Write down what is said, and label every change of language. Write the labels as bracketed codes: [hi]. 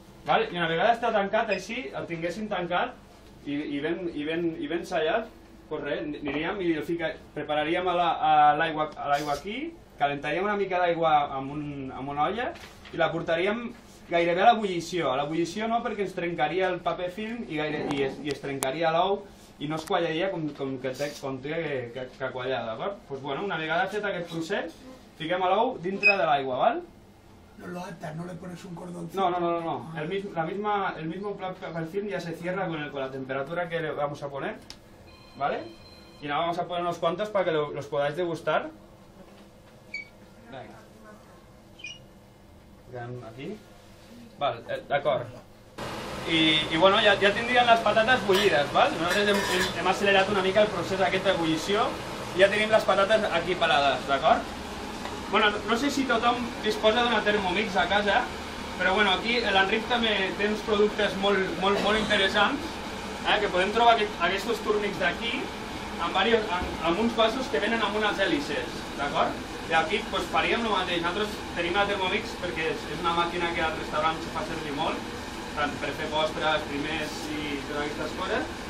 [ca] I una vegada està tancat així, el tinguéssim tancat i ben sellat, doncs res, aniríem i el prepararíem a l'aigua aquí, calentaríem una mica d'aigua amb una olla i la portaríem gairebé a l'ebullició. A l'ebullició no, perquè ens trencaria el paper film i es trencaria l'ou i no es quallaria com que té que quallar, d'acord? Doncs bé, una vegada fet aquest procés, fiquem l'ou dintre de l'aigua, val? [es] No lo atas, no le pones un cordón. No. El mismo papel film ya se cierra con la temperatura que le vamos a poner. ¿Vale? Y nada, vamos a poner unos cuantos para que los podáis degustar. Venga. Aquí. Vale, [ca] d'acord. [es] Y bueno, ya tendrían las patatas bullidas, ¿vale? Nosotros hemos acelerado [ca] una mica [es] el proceso [ca] aquest [es] de ebullición. Y ya tenemos las patatas aquí paradas, [ca] ¿d'acord? Bueno, no sé si tothom disposa d'una Thermomix a casa, però bueno, aquí l'Enric també té uns productes molt, molt, molt interessants, que podem trobar aquests túrnics d'aquí amb uns vasos que venen amb unes hèlices, d'acord? I aquí pues, faríem el mateix. Nosaltres tenim la Thermomix perquè és una màquina que al restaurant se fa servir molt, tant per fer postres, primers i totes aquestes coses.